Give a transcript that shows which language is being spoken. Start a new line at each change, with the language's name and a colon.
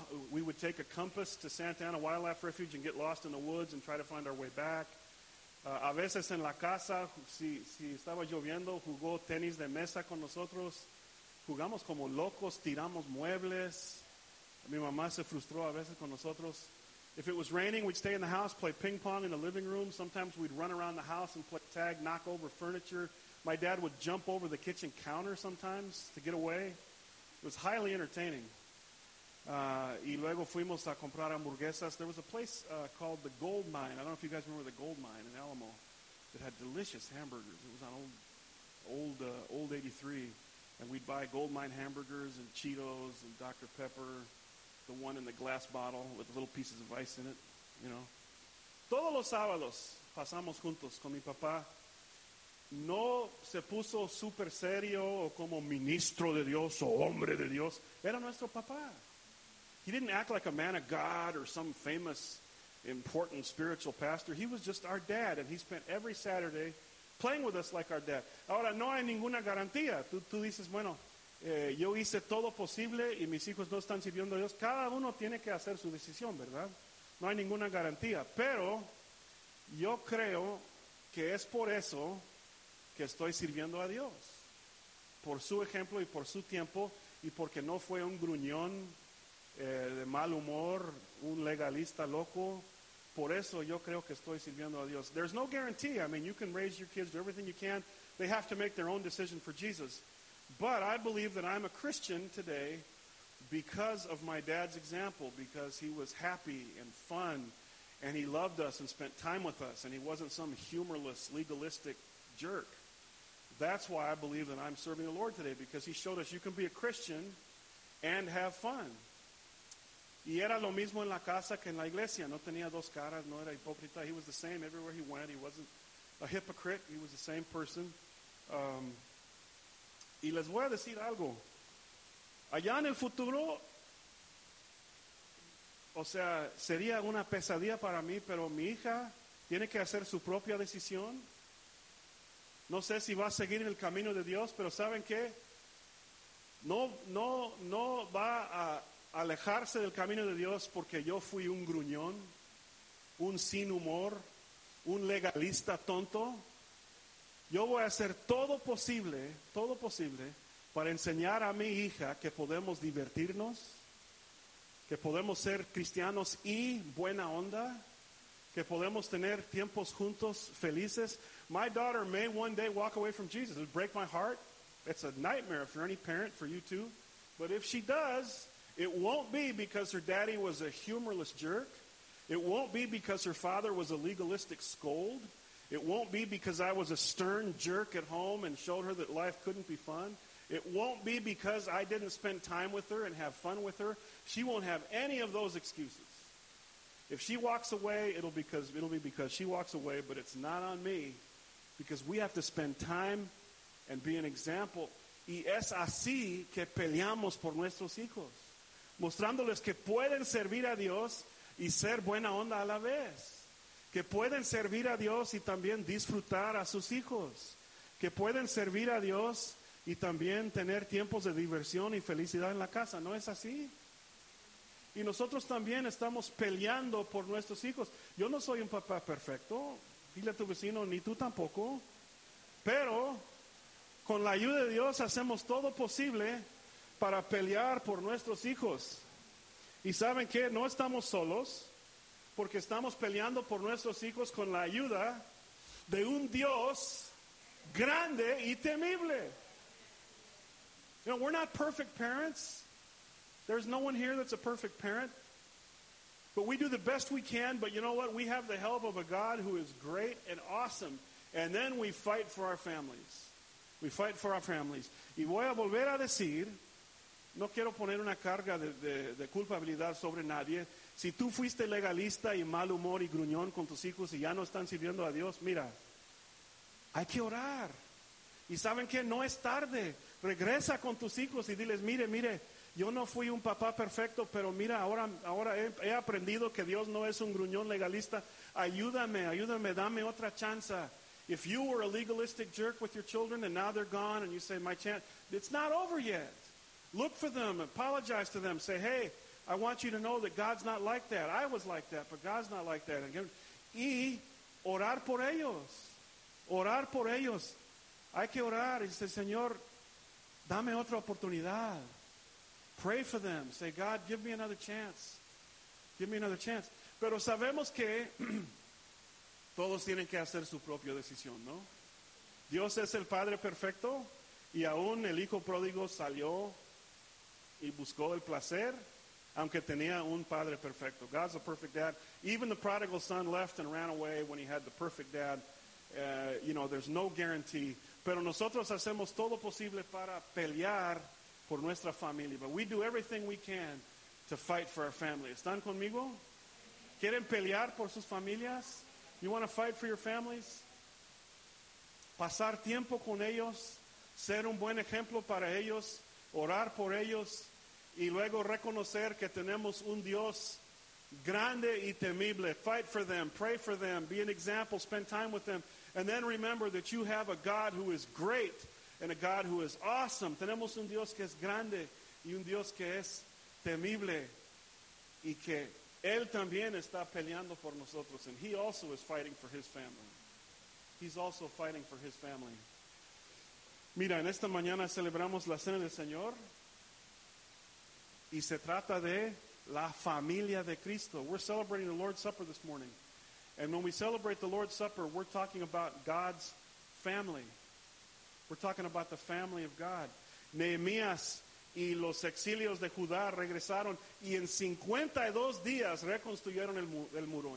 English: We would take a compass to Santa Ana Wildlife Refuge and get lost in the woods and try to find our way back.
Spanish: A veces en la casa, si estaba lloviendo, jugó tenis de mesa con nosotros. Jugamos como locos, tiramos muebles. Mi mamá se frustró a veces con nosotros.
English: If it was raining, we'd stay in the house, play ping pong in the living room. Sometimes we'd run around the house and play tag, knock over furniture. My dad would jump over the kitchen counter sometimes to get away. It was highly entertaining.
Spanish: Y luego fuimos a comprar hamburguesas.
English: There was a place called the Gold Mine. I don't know if you guys remember the Gold Mine in Alamo. It had delicious hamburgers. It was on old 83. And we'd buy Gold Mine hamburgers and Cheetos and Dr. Pepper. The one in the glass bottle with little pieces of ice in it, you know.
Spanish: Todos los sábados pasamos juntos con mi papá. No se puso super serio o como ministro de Dios o hombre de Dios. Era nuestro papá.
English: He didn't act like a man of God or some famous important spiritual pastor. He was just our dad, and he spent every Saturday playing with us like our dad.
Spanish: Ahora, no hay ninguna garantía. Tú dices, bueno, yo hice todo posible y mis hijos no están sirviendo a Dios. Cada uno tiene que hacer su decisión, ¿verdad? No hay ninguna garantía. Pero yo creo que es por eso que estoy sirviendo a Dios. Por su ejemplo y por su tiempo, y porque no fue un gruñón de mal humor, un legalista loco. Por eso yo creo que estoy sirviendo a Dios.
English: There's no guarantee. I mean, you can raise your kids, do everything you can. They have to make their own decision for Jesus. But I believe that I'm a Christian today because of my dad's example, because he was happy and fun, and he loved us and spent time with us, and he wasn't some humorless, legalistic jerk. That's why I believe that I'm serving the Lord today, because he showed us you can be a Christian and have fun.
Spanish: Y era lo mismo en la casa que en la iglesia. No tenía dos caras, no era hipócrita.
English: He was the same everywhere he went. He wasn't a hypocrite. He was the same person.
Spanish: Y les voy a decir algo. Allá en el futuro, o sea, sería una pesadilla para mí, pero mi hija tiene que hacer su propia decisión. No sé si va a seguir en el camino de Dios, pero ¿saben qué? No va a alejarse del camino de Dios porque yo fui un gruñón, un sin humor, un legalista tonto. Yo voy a hacer todo posible, para enseñar a mi hija que podemos divertirnos, que podemos ser cristianos y buena onda, que podemos tener tiempos juntos felices.
English: My daughter may one day walk away from Jesus. It would break my heart. It's a nightmare for any parent, for you too. But if she does, it won't be because her daddy was a humorless jerk. It won't be because her father was a legalistic scold. It won't be because I was a stern jerk at home and showed her that life couldn't be fun. It won't be because I didn't spend time with her and have fun with her. She won't have any of those excuses. If she walks away, it'll be because she walks away, but it's not on me, because we have to spend time and be an example.
Spanish: Y es así que peleamos por nuestros hijos, mostrándoles que pueden servir a Dios y ser buena onda a la vez. Que pueden servir a Dios y también disfrutar a sus hijos. Que pueden servir a Dios y también tener tiempos de diversión y felicidad en la casa. ¿No es así? Y nosotros también estamos peleando por nuestros hijos. Yo no soy un papá perfecto. Dile a tu vecino, ni tú tampoco. Pero con la ayuda de Dios hacemos todo posible para pelear por nuestros hijos. ¿Y saben qué? No estamos solos. Porque estamos peleando por nuestros hijos con la ayuda de un Dios grande y temible.
English: You know, we're not perfect parents. There's no one here that's a perfect parent. But we do the best we can. But you know what? We have the help of a God who is great and awesome. And then we fight for our families. We fight for our families.
Spanish: Y voy a volver a decir, no quiero poner una carga de culpabilidad sobre nadie. Si tú fuiste legalista y mal humor y gruñón con tus hijos y ya no están sirviendo a Dios, mira, hay que orar. Y saben que no es tarde. Regresa con tus hijos y diles, mire, yo no fui un papá perfecto, pero mira, ahora he aprendido que Dios no es un gruñón legalista. Ayúdame, dame otra chance.
English: If you were a legalistic jerk with your children and now they're gone and you say, my chance, it's not over yet. Look for them, apologize to them, say, hey, I want you to know that God's not like that. I was like that, but God's not like that.
Spanish: And y orar por ellos. Orar por ellos. Hay que orar. Y dice, Señor, dame otra oportunidad.
English: Pray for them. Say, God, give me another chance. Give me another chance.
Spanish: Pero sabemos que todos tienen que hacer su propia decisión, ¿no? Dios es el Padre perfecto. Y aún el Hijo pródigo salió y buscó el placer. Aunque tenía un padre perfecto.
English: God's a perfect dad. Even the prodigal son left and ran away when he had the perfect dad. You know, there's no guarantee.
Spanish: Pero nosotros hacemos todo posible para pelear por nuestra familia.
English: But we do everything we can to fight for our family.
Spanish: ¿Están conmigo? ¿Quieren pelear por sus familias?
English: You want to fight for your families?
Spanish: Pasar tiempo con ellos. Ser un buen ejemplo para ellos. Orar por ellos. Y luego reconocer que tenemos un Dios Grande y temible.
English: Fight for them. Pray for them. Be an example. Spend time with them. And then remember that you have a God who is great and a God who is awesome.
Spanish: Tenemos un Dios que es grande y un Dios que es temible. Y que Él también está peleando por nosotros.
English: And He also is fighting for His family. He's also fighting for His family.
Spanish: Mira, en esta mañana celebramos la Cena del Señor. Y se trata de la familia de Cristo.
English: We're celebrating the Lord's Supper this morning. And when we celebrate the Lord's Supper, we're talking about God's family. We're talking about the family of God.
Spanish: Nehemías y los exilios de Judá regresaron y en 52 días reconstruyeron el muro.